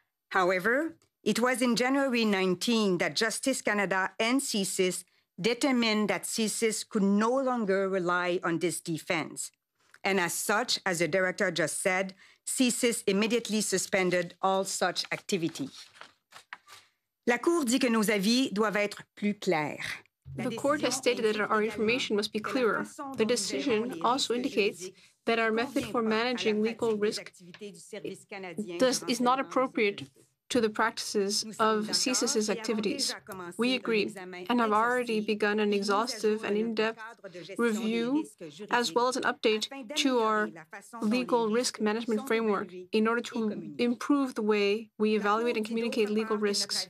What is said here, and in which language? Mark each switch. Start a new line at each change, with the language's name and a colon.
English: However, it was in January 19 that Justice Canada and CSIS determined that CSIS could no longer rely on this defense. And as such, as the director just said, CSIS immediately suspended all such activity.
French: La Cour dit que nos avis doivent être plus clairs.
English: The court has stated that our information must be clearer. The decision also indicates that our method for managing legal risk is not appropriate to the practices of CSIS's activities. We agree and have already begun an exhaustive and in-depth review as well as an update to our legal risk management framework in order to improve the way we evaluate and communicate legal risks.